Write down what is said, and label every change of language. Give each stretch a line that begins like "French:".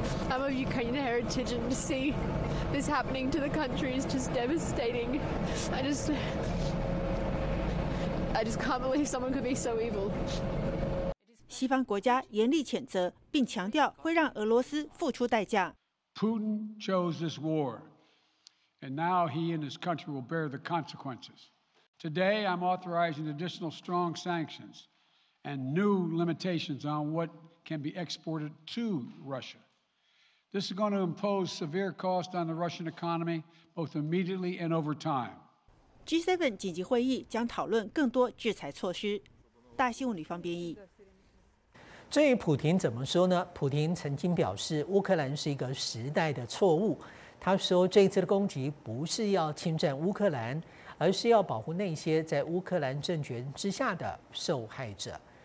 English: I'm of Ukrainian heritage, and to see this happening to the country is just devastating. I just can't believe someone could be so evil.
Chinese: 西方国家严厉谴责，并强调会让俄罗斯付出代价。
English: Putin chose this war. And now he and his country will bear the consequences. Today, I'm authorizing additional strong sanctions and new limitations on what can be exported to Russia. This is going to impose severe cost on the Russian economy, both immediately and over time.
Chinese: G7 紧急会议将讨论更多制裁措施。大新闻李芳编译。至于普廷怎么说呢？普廷曾经表示，乌克兰是一个时代的错误。他说，这次的攻击不是要侵占乌克兰，而是要保护那些在乌克兰政权之下的受害者。